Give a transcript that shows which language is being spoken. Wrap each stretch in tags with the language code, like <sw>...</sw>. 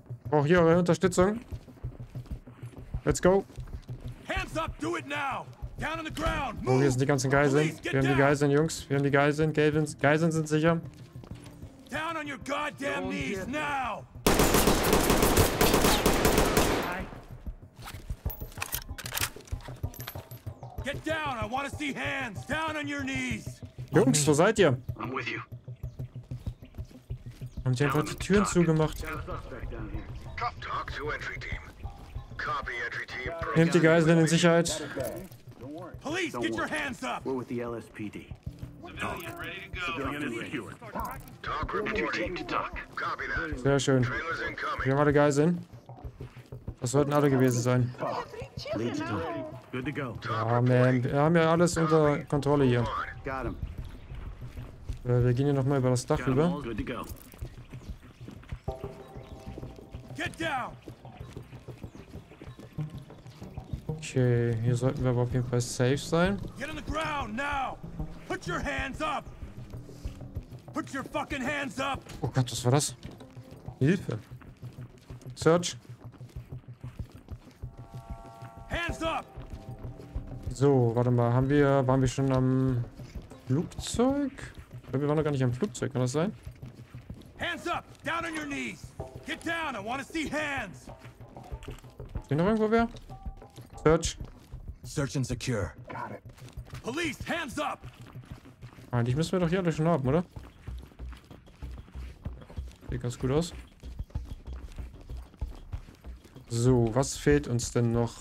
<de>Brauch hier eure Unterstützung.</de> <en>Let's go. Hands up, do it now. Down on the ground.</en> <de>Oh, hier sind die ganzen Geiseln. Wir haben die Geiseln, Jungs. Wir haben die Geiseln. Geiseln sind sicher.</de> <en>Down on your goddamn knees now. Get down. I want to see hands. Down on your knees.</en> <de>Jungs, wo seid ihr?</de> <en>I'm with you.</en> <de>Haben sie einfach die Türen zugemacht.</de> <en>Cop talk to entry team. Copy entry team.</en> <de>Nehmt die Geiseln in Sicherheit.</de> <en>Police, get your hands up. We're with the LSPD. Talk. Ready to go. Talk, Ripper 2 Team to talk. Copy that.</en> <de>Sehr schön. Wir haben alle Geiseln. Das sollten alle gewesen sein. Oh man, wir haben ja alles unter Kontrolle hier. Wir gehen hier nochmal über das Dach rüber. Okay, hier sollten wir aber auf jeden Fall safe sein.</de> <en>Get on the ground now! Put your hands up! Put your fucking hands up!</en> <de>Oh Gott, was war das? Hilfe! Search!</de> <en>Hands up!</en> <de>So, warte mal, waren wir schon am Flugzeug? Ich glaube, wir waren noch gar nicht am Flugzeug, kann das sein?</de> <en>Hands up! Down on your knees! Get down, I wanna see hands!</en> <de>Ist hier noch irgendwo wer?</de> <en>Search. Search and secure. Got it. Police, hands up!</en> <de>Eigentlich müssen wir doch hier alle schon haben, oder? Sieht ganz gut aus. So, was fehlt uns denn noch?</de>